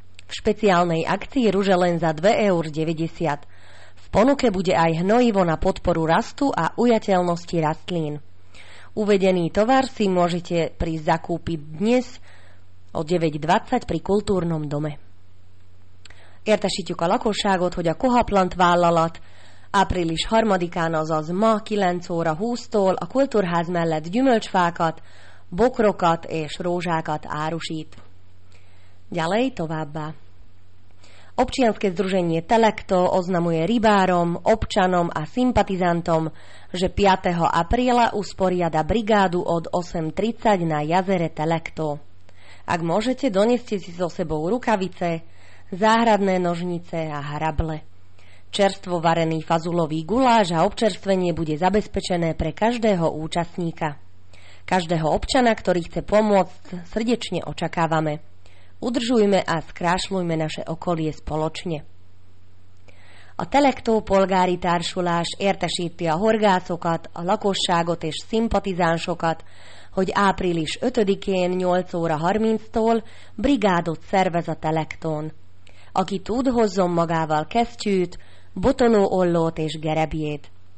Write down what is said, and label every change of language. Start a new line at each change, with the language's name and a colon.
Slovak: V špeciálnej akcii ruže len za 2,90 €. V ponuke bude aj hnojivo na podporu rastu a ujateľnosti rastlín. Uvedený tovar si môžete prísť zakúpiť dnes o 9.20 pri kultúrnom dome.
Hungarian: Értesítjük a lakosságot, hogy a Kohaplant vállalat április 3-án, azaz ma 9:20-tól a kultúrház mellett gyümölcsfákat, bokrokat és rózsákat árusít.
Slovak: Ďalej
Hungarian: továbbá.
Slovak: Občianske združenie Telekto oznamuje rybárom, občanom a sympatizantom, že 5. apríla usporiada brigádu od 8.30 na jazere Telekto. Ak môžete, doneste si so sebou rukavice, záhradné nožnice a hrable. Čerstvo varený fazulový guláš a občerstvenie bude zabezpečené pre každého účastníka. Každého občana, ktorý chce pomôcť, srdečne očakávame. Udržujme a skrášľujme naše okolie spoločne.
Hungarian: A Telektó polgári társulás értesíti a horgászokat, a lakosságot és szimpatizánsokat, hogy április 5-én 8:30-tól brigádot szervez a Telektón. Aki tud, hozzon magával kesztyűt, botonó ollót és gerebjét.